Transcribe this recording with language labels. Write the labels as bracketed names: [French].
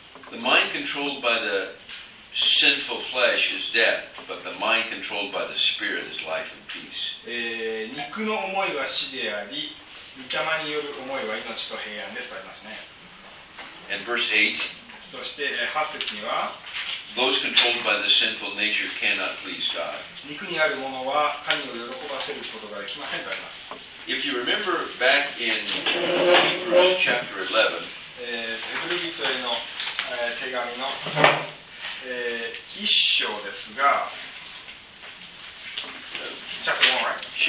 [English] The mind controlled by the sinful flesh is death, but the mind controlled by the spirit is life and peace. [Japanese] 肉の思いは死であり、御霊による思いは命と平安ですとありますね。 [English] And verse 8, [Japanese] そして8節には、 [English] Those controlled by the sinful nature cannot please God. [Japanese] 肉にあるものは神を喜ばせることができませんとあります。 [English] If you remember back in Hebrews chapter 11, [Japanese] ヘブル人への手紙の一章ですが、 [English] chapter 1, right?